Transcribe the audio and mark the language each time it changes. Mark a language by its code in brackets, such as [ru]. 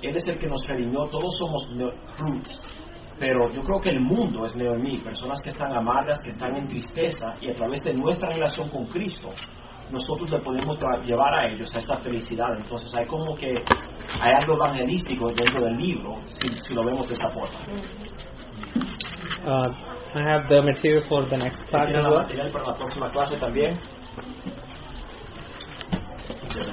[es] Él es el que nos redimió. Todos somos Ruth. Pero yo creo que el mundo es Noemí, personas que están amargas, que están en tristeza, y a través de nuestra relación con Cristo, nosotros le podemos llevar a ellos a esta felicidad. Entonces hay como que hay algo evangelístico dentro del libro, si lo vemos de esta forma. [en] I have the material for the next class. [es] ¿Tienes el material para la próxima clase también? [en] Yes.